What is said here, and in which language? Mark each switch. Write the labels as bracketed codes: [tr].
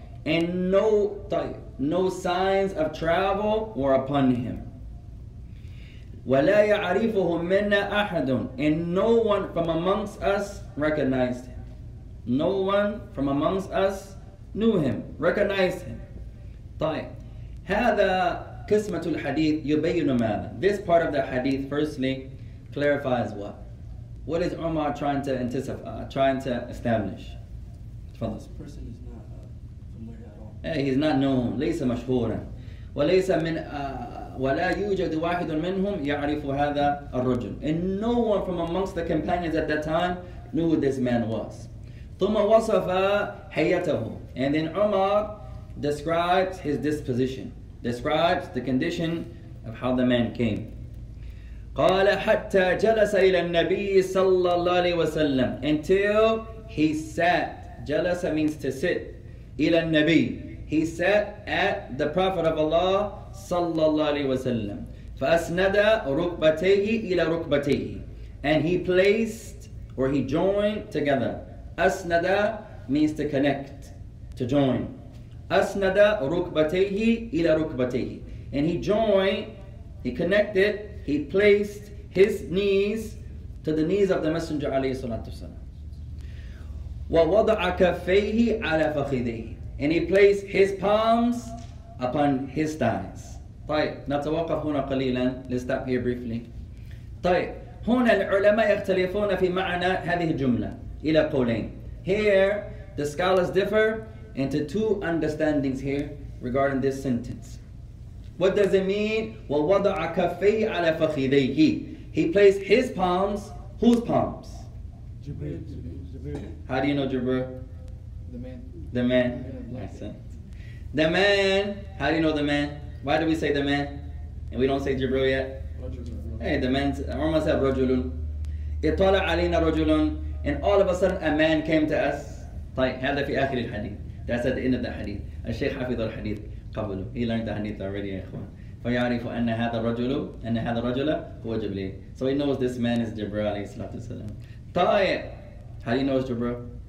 [en] And no signs of travel were upon him. [ar] ولا يعرفه منا أحد, [en] and no one from amongst us recognized him. No one from amongst us knew him, recognized him. [ar] طيب هذا قسمة الحديث يبين ماذا. [en] This part of the hadith firstly clarifies what. What is Umar trying to anticipate, trying to establish? [ar] تفضل. [en] This person is not from where at all. He's not known. [ar] ليس مشهورا. وليس من ولا يوجد واحد منهم يعرف هذا الرجل. [en] And no one from amongst the companions at that time knew who this man was. [ar] ثم وصف حياته. [en] And then Umar describes his disposition, describes the condition of how the man came. [ar] قال حتى جلس إلى النبي صلى الله عليه وسلم. [en] Until he sat. جلس means to sit. [ar] إلى النبي. [en] He sat at the Prophet of Allah صلى الله عليه وسلم. [ar] فأسند ركبتيه إلى ركبتيه. [en] And he placed, or he joined together. أسند means to connect, to join. [ar] أسند ركبتيه إلى ركبتيه. [en] And he joined, he connected, he placed his knees to the knees of the Messenger عليه الصلاة والسلام. [ar] ووضع كفيه على فخذيه. [en] And he placed his palms upon his thighs. [ar] طيب نتوقف هنا قليلا. [en] Let's stop here briefly. [ar] طيب هنا العلماء يختلفون في معنى هذه الجملة إلى قولين. [en] Here the scholars differ into two understandings here regarding this sentence. What does it mean? [ar] ووضع كفيه على فخذيه. [en] He placed his palms. Whose palms? Jibril. How do you know Jibril? The man. The man, how do you know the man? Why do we say the man? And we don't say Jibril yet? Hey, the man, Umar said Rajulun. [ar] إطلع علينا رجلون. [en] And all of a sudden a man came to us. [ar] طيب هذا في آخر الحديث. [en] That's at the end of the hadith. [ar] الشيخ حفظ الحديث قبله. [en] He learned the hadith already, [ar] يا إخوان. فيعرف أن هذا الرجل أن هذا الرجل هو جبريل. [en] So he knows this man is Jibril عليه الصلاة والسلام. طيب how do you know it's Jibril?